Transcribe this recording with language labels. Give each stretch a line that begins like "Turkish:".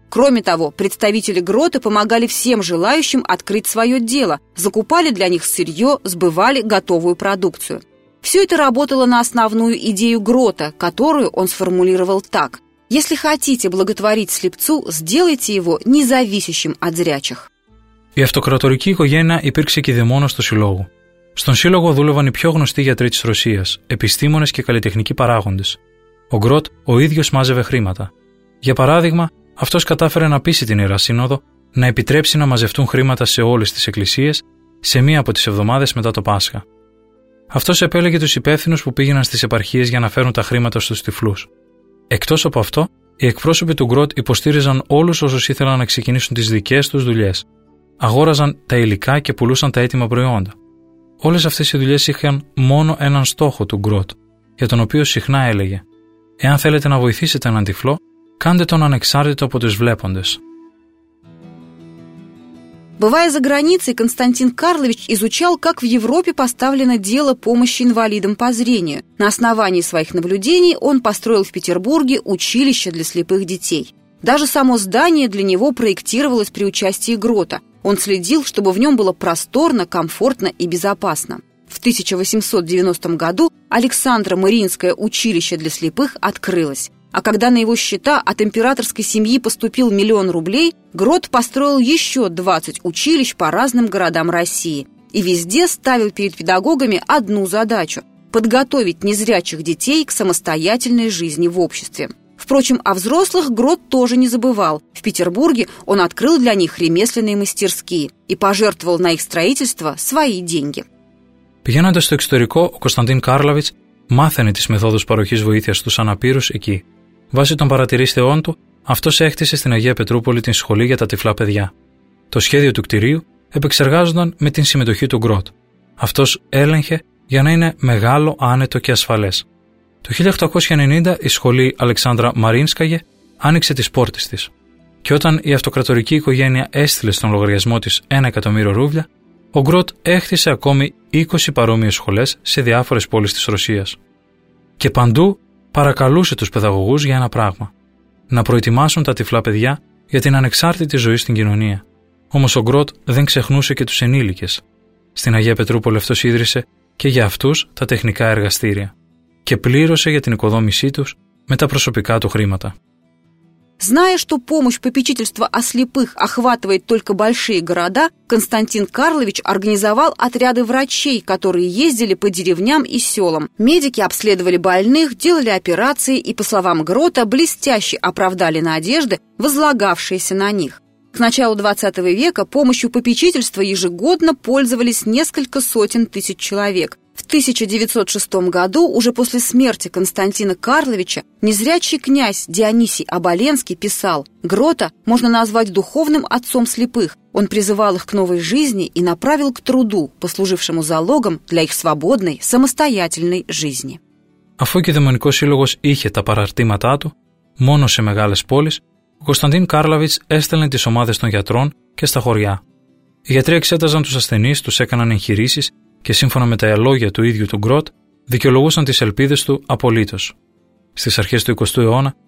Russian: Кроме того, представители Грота помогали всем желающим открыть свое дело. Закупали для них сырье, сбывали готовую продукцию. Все это работало на основную идею Грота, которую он сформулировал так: «Если хотите благотворить слепцу, сделайте его независящим от зрячих».
Greek: Η αυτοκρατορική οικογένεια υπήρξε κηδεμόνος του συλλόγου. Στον σύλλογο δούλευαν οι πιο γνωστοί γιατροί της Ρωσίας, επιστήμονες και καλλιτεχνικοί παράγοντες. Ο Γκροτ ο ίδιος μάζευε χρήματα. Για παράδειγμα, αυτός κατάφερε να πείσει την Ιερά Σύνοδο να επιτρέψει να μαζευτούν χρήματα σε όλες τις εκκλησίες σε μία από τις εβδομάδες μετά το Πάσχα. Αυτός επέλεγε τους υπεύθυνους που πήγαιναν στις επαρχίες για να φέρουν τα χρήματα στους τυφλούς. Εκτός από αυτό, οι εκπρόσωποι του Γκροτ υποστήριζαν όλους όσους ήθελαν να ξεκινήσουν τις δικές τους δουλειές. Αγόραζαν τα υλικά και πουλούσαν τα έτοιμα προϊόντα. Όλες αυτές οι δουλειές είχαν μόνο έναν στόχο του Γκροτ, για τον οποίο συχνά έλεγε: «Εάν θέλετε να βοηθήσετε έναν τυφλό, κάντε τον ανεξάρτητο από τους βλέποντες».
Russian: Бывая за границей, Константин Карлович изучал, как в Европе поставлено дело помощи инвалидам по зрению. На основании своих наблюдений он построил в Петербурге училище для слепых детей. Даже само здание для него проектировалось при участии Грота. Он следил, чтобы в нем было просторно, комфортно и безопасно. В 1890 году Александро-Мариинское училище для слепых открылось. А когда на его счета от императорской семьи поступил 1 000 000 рублей, Грот построил еще 20 училищ по разным городам России. И везде ставил перед педагогами одну задачу – подготовить незрячих детей к самостоятельной жизни в обществе. Впрочем, о взрослых Грот тоже не забывал. В Петербурге он открыл для них ремесленные мастерские и пожертвовал на их строительство свои деньги.
Greek: Пьянадо сто эксторико, Константин Карлович мафене тис методус парохис воитиас тус анапирус эки. Βάσει των παρατηρήσεων του, αυτός έχτισε στην Αγία Πετρούπολη την σχολή για τα τυφλά παιδιά. Το σχέδιο του κτηρίου επεξεργάζονταν με την συμμετοχή του Γκροτ. Αυτός έλεγχε για να είναι μεγάλο, άνετο και ασφαλές. Το 1890 η σχολή Αλεξάνδρα Μαρίνσκαγε άνοιξε τις πόρτες της. Και όταν η αυτοκρατορική οικογένεια έστειλε στον λογαριασμό της 1 000 000 ρούβλια, ο Γκροτ έχτισε ακόμη 20 παρόμοιες σχολές σε διάφορες πόλεις της Ρωσίας. Και παντού παρακαλούσε τους παιδαγωγούς για ένα πράγμα: να προετοιμάσουν τα τυφλά παιδιά για την ανεξάρτητη ζωή στην κοινωνία. Όμως ο Γκροτ δεν ξεχνούσε και τους ενήλικες. Στην Αγία Πετρούπολη αυτός ίδρυσε και για αυτούς τα τεχνικά εργαστήρια και πλήρωσε για την οικοδόμησή τους με τα προσωπικά του χρήματα.
Russian: Зная, что помощь попечительства о слепых охватывает только большие города, Константин Карлович организовал отряды врачей, которые ездили по деревням и селам. Медики обследовали больных, делали операции и, по словам Грота, блестяще оправдали надежды, возлагавшиеся на них. К началу XX века помощью попечительства ежегодно пользовались несколько сотен тысяч человек. В 1906 году, уже после смерти Константина Карловича, незрячий князь Дионисий Оболенский писал: «Грота можно назвать духовным отцом слепых. Он призывал их к новой жизни и направил к труду, послужившему залогом для их свободной, самостоятельной жизни».
Greek: Αφού Κηδεμονικός Σύλλογος είχε τα παραρτήματά του, μόνο σε μεγάλες πόλεις, ο Κωνσταντίν Κάρλαβιτς έστελνε τις ομάδες των γιατρών και στα χωριά. Οι γιατροί εξέταζαν τους ασθενείς, τους έκαναν εγχειρήσεις και σύμφωνα με τα λόγια του ίδιου του Γκροτ, δικαιολογούσαν τις ελπίδες του απολύτως. Στις αρχές του 20ου αιώνα,